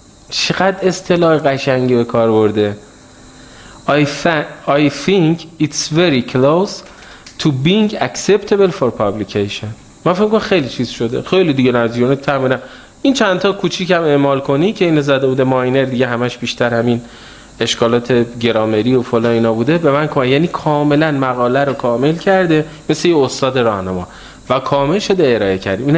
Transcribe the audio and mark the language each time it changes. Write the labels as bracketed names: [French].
[Persian] چقدر اصطلاح قشنگی به کار برده. [English] I think it's very close to being acceptable for publication. [Persian] ما فکر کنم خیلی چیز شده، خیلی دیگه نزدیک تمنه. این چند تا کوچیک هم اعمال کنی که این زده بوده ماینر، دیگه همش بیشتر همین اشکالات گرامری و فلان اینا بوده به من کنم. یعنی کاملا مقاله رو کامل کرده مثل یه استاد راهنما و کامل شده ارائه کرده.